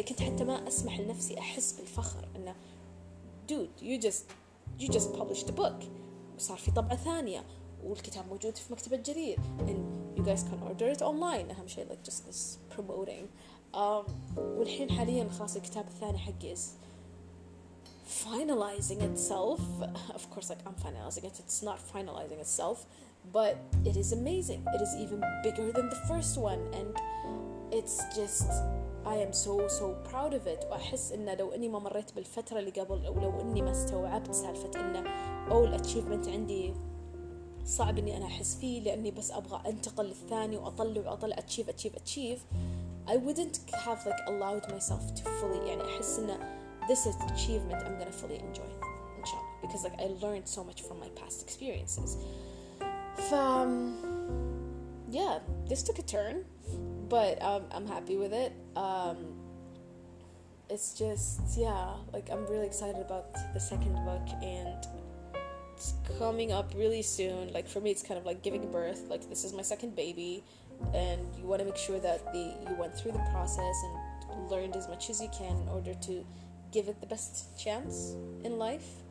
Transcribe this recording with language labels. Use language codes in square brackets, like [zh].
[ar] يعني كنت حتى ما أسمح لنفسي أحس بالفخر إن [en] dude you just published a book, [ar] صار في طبعة ثانية والكتاب موجود في مكتبة جرير, [en] and you guys can order it online. [ar] أهم شيء [en] like just this promoting. [ar] والحين حاليا خلاص الكتاب الثاني حقي [en] is finalizing itself. Of course, like I'm finalizing it, it's not finalizing itself, but it is amazing. It is even bigger than the first one, and it's just I am so proud of it. [ar] وأحس إن لو إني ما مريت بالفترة اللي قبل أو لو إني ما استوعبت سالفة إن أول achievement عندي صعب إني أنا أحس فيه لأني بس أبغى أنتقل للثاني وأطلع achieve, [en] I wouldn't have like allowed myself to fully, [ar] يعني أحس إن [en] this is achievement I'm gonna fully enjoy, inshallah, because like I learned so much from my past experiences. Yeah, this took a turn, but I'm happy with it. It's just, yeah, like I'm really excited about the second book, and it's coming up really soon. Like for me, it's kind of like giving birth. Like this is my second baby, and you want to make sure that you went through the process and learned as much as you can in order to give it the best chance in life.